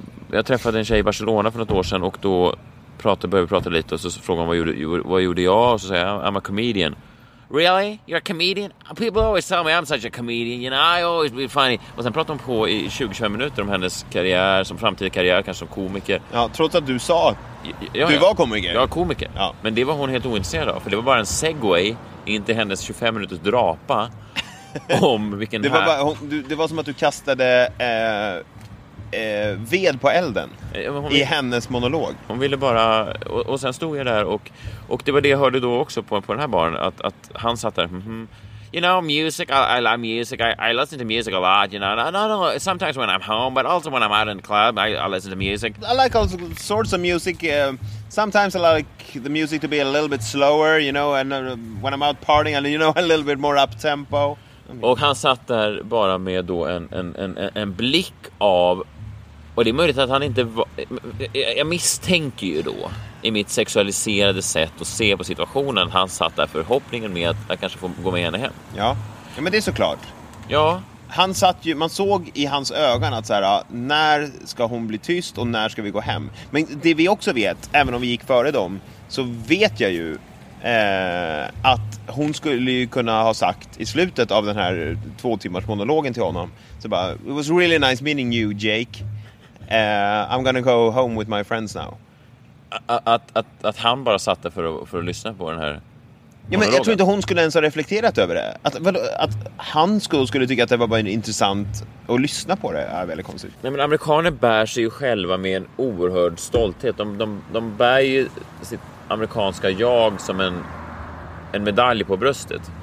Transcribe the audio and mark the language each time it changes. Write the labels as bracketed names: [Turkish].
[Swedish] Jag träffade en tjej i Barcelona för något år sedan, och då började prata lite, och så frågade hon vad gjorde jag, och så säger jag, [English] I'm a comedian. Really? You're a comedian? People always tell me I'm such a comedian. You know, I always be funny. [Swedish] Och sen pratar hon på i 20-25 minuter om hennes karriär, som framtida karriär, kanske som komiker. Ja, trots att du sa att du var komiker. Jag var komiker. Ja. Men det var hon helt ointresserad av. För det var bara en segue, inte hennes 25 minuters drapa om vilken det var, bara, hon, du, det var som att du kastade ved på elden i hennes monolog. Hon ville bara, och sen stod jag där och det var det jag hörde då också på den här barnen, att han satt där. Mm-hmm. [English] You know, music, I love music. I listen to music a lot, you know. No, sometimes when I'm home, but also when I'm out in the club, I listen to music. I like all sorts of music. Sometimes I like the music to be a little bit slower, you know, and when I'm out partying, and you know, a little bit more up-tempo. [Swedish] Och han satt där bara med då en blick av, och det är möjligt att han inte var, jag misstänker ju då i mitt sexualiserade sätt att se på situationen, han satt där förhoppningen med att jag kanske får gå med henne hem. Ja, ja, men det är såklart. Ja. Han satt ju, man såg i hans ögon att så här, när ska hon bli tyst och när ska vi gå hem? Men det vi också vet, även om vi gick före dem, så vet jag ju att hon skulle ju kunna ha sagt i slutet av den här 2 timmars monologen till honom, så bara, [English] it was really nice meeting you, Jake. I'm gonna go home with my friends now. [Swedish] Att han bara satte för att lyssna på den här monologen. Ja, men jag tror inte hon skulle ens ha reflekterat över det. Att han skulle tycka att det var bara intressant att lyssna på det är väldigt konstigt. Nej, men amerikaner bär sig ju själva med en oerhörd stolthet. De bär ju sitt amerikanska jag som en medalj på bröstet.